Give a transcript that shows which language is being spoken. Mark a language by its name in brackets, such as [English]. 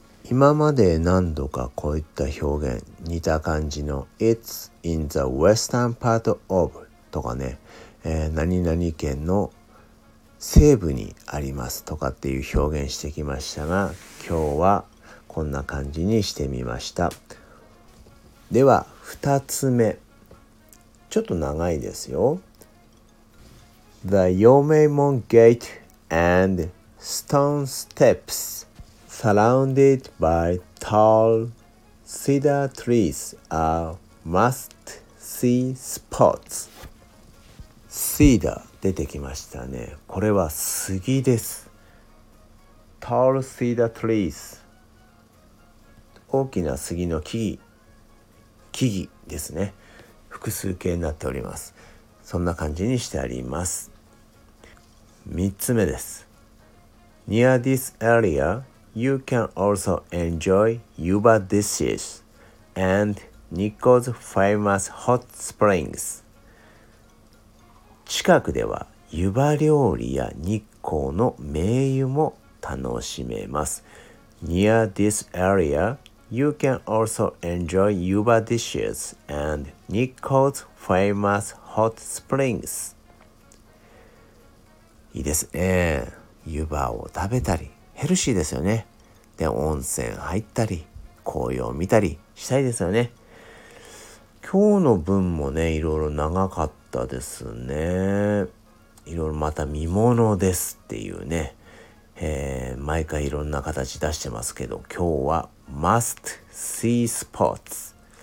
[Japanese] 今まで何度かこういった表現似た感じの [English] It's in the western part of [Japanese] とかね、何々県の西部にありますとかっていう表現してきましたが、今日はこんな感じにしてみました。では2つ目、ちょっと長いですよ。 [English] The Yomeimon Gate and Stone Steps surrounded by tall cedar trees are must see spots. [Japanese] Cedar出てきましたね。これは杉です。 [English] Tall cedar trees、 [Japanese] 大きな杉の木々、木々ですね。複数形になっております。そんな感じにしてあります。 3つ目です。 [English] Near this area you can also enjoy Yuba dishes and Nikko's famous hot springs。 [Japanese] 近くでは湯葉料理や日光の名湯も楽しめます。 [English] Near this area, you can also enjoy Yuba dishes and Nikko's famous hot springs. [Japanese] いいですね。湯葉を食べたり、ヘルシーですよね。で、温泉入ったり、紅葉を見たりしたいですよね。今日の文もね、いろいろ長かったですね。いろいろまた見物ですっていうね、毎回いろんな形出してますけど、今日は [English] must see spots。